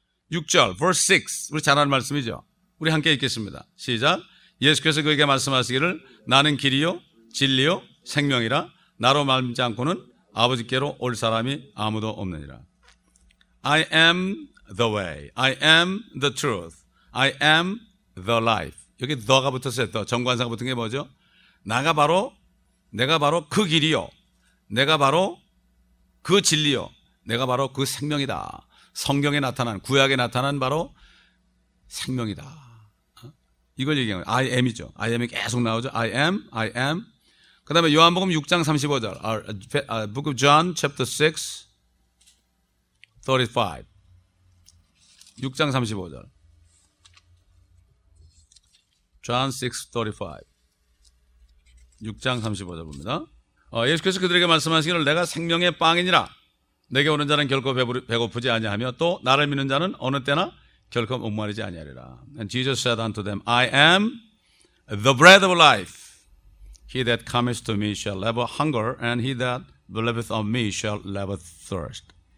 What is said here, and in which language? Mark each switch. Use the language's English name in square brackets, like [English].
[Korean] 6절, [English] verse 6. [Korean] 우리 잘 아는 말씀이죠. 우리 함께 읽겠습니다. 시작. 예수께서 그에게 말씀하시기를 나는 길이요 진리요 생명이라 나로 말미암지 않고는 아버지께로 올 사람이 아무도 없느니라. [English] I am the way, I am the truth, I am the life. [Korean] 여기 the가 붙었어요. the 정관사가 붙은 게 뭐죠? 내가 바로 그 길이요, 내가 바로 그 진리요, 내가 바로 그 생명이다. 성경에 나타난, 구약에 나타난 바로 생명이다. 이걸 얘기하는 거예요. I am이죠. I am이 계속 나오죠. I am, I am. 그 다음에 요한복음 6장 35절. [English] Book of John chapter 6, 35. [Korean] 6장 35절. John 6, 35. 6장 35절 봅니다. 예수께서 그들에게 말씀하시기를 내가 생명의 빵이니라. 내게 오는 자는 결코 배고프지 아니하며 또 나를 믿는 자는 어느 때나 결코 목마르지 아니하리라. [English] And Jesus said unto them, I am the bread of life. He that cometh to me shall never hunger, and he that believeth on me shall never thirst.